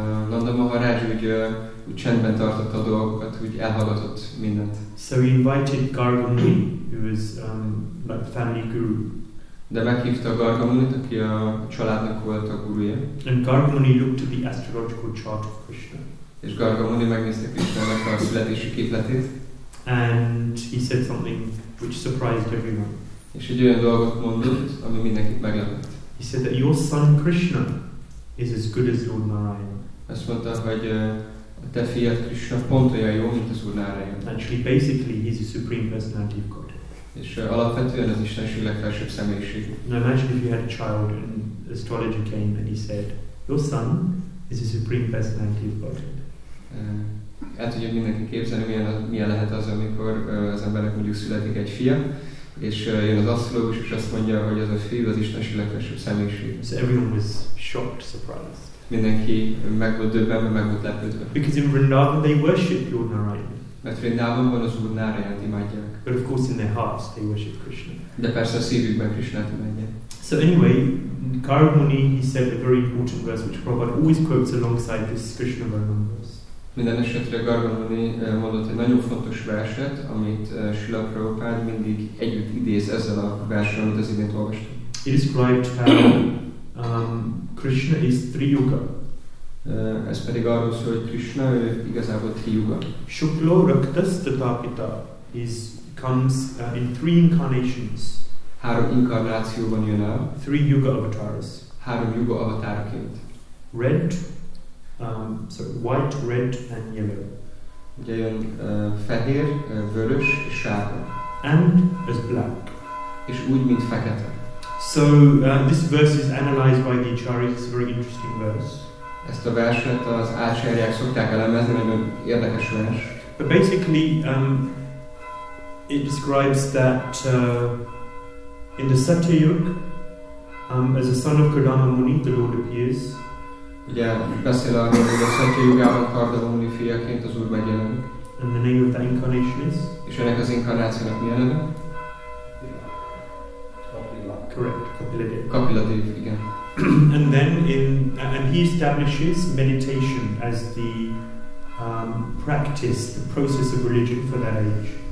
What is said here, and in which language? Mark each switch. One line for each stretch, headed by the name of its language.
Hungarian: Nanda Maharaj úgy csendben tartotta a dolgokat, úgy elhallgatott mindent.
English: So he invited Garga Muni, who was like the family guru.
Hungarian: De meghívta Garga Munit, aki a családnak volt a gurúja.
English: And Garga Muni looked at the astrological chart of Krishna.
Hungarian: És Garga Muni megnézte Krishnának a születési képletét.
English: And he said something which surprised everyone.
Hungarian: És egy olyan dolgot mondott, ami mindenkit meglepett.
English: He said that your son Krishna is as good as Lord Narayana.
Hungarian: Azt mondta, hogy a te fiat Krishna pont olyan jó, mint az Úr Narayana.
English: Actually, basically, he's the supreme personality of God.
Hungarian: És alapvetően az Istenség legfelsőbb személyiség.
English: Now imagine if you had a child and the astrologer came and he said, your son is the supreme personality of God.
Hungarian: El tudja mindenki képzelni, milyen lehet az, amikor az embernek mondjuk születik egy fia, és jön az asztrológus, és azt mondja, hogy az a fiú az Istenség legfelsőbb személyiség.
English: So everyone was shocked, surprised.
Hungarian: Mindenki meg volt döbbenve, meg volt lepődve.
English: Because in Vrindavan they worship Lord Narayana.
Hungarian: Mert Vrindavanban az Úr Narayant imádják.
English: But of course in their hearts they worship Krishna.
Hungarian: De persze a szívükben Krishnát imádják.
English: So anyway, Garga Muni, he said a very important verse which Prabhupada always quotes alongside this Krishna Varnam verse.
Hungarian: Minden esetre Garga Muni mondott egy nagyon fontos verset, amit Srila Prabhupada mindig együtt idéz ezzel a versen, amit az imént olvastam.
English: It is described how Krishna is Triyuga.
Hungarian: Ez pedig arról szól, hogy Krishna ő igazából Triyuga.
Sanskrit: Shuklo raktas tatapita
English: is comes in three incarnations.
Hungarian: Három inkarnációban jön el.
English: Three yuga avatars.
Hungarian: Három yuga avatárként.
English: Red, white, red and yellow.
Hungarian: Ugye jön fehér, vörös és sárga.
English: And as black.
Hungarian: És úgy, mint fekete.
English: So this verse is analyzed by the acharyas. It's a very interesting verse.
Hungarian: Ezt a verset az acharyák szokták elemezni, nagyon érdekes vers.
English: But basically, it describes that in the Satyayuga, as a son of Kardama Muni, the Lord appears.
Hungarian: Ugye beszél arról, hogy a Satyayugában Kardama Muni fiaként az Úr megjelenik.
English: And the name of the incarnation is?
Hungarian: És ennek az inkarnációnak mi a neve?
English: Correct, Kapiladev.
Hungarian: Kapiladev, igen.
English: And then in and he establishes meditation as the practice, the process of religion for that age.